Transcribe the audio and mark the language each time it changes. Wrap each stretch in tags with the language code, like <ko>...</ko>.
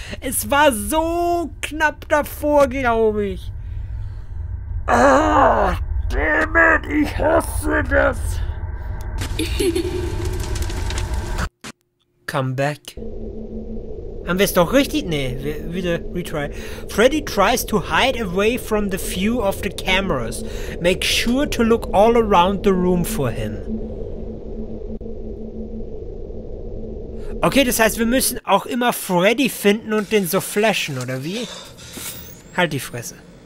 <de>Es war so knapp davor, glaube ich. Dammit, ich hasse das.</de> <en>Come back.</en> <de>Haben wir es doch richtig? Nee, wieder retry.</de> <en>Freddy tries to hide away from the view of the cameras. Make sure to look all around the room for him.</en> <de>Okay, das heißt, wir müssen auch immer Freddy finden und den so flashen, oder wie? Halt die Fresse.</de>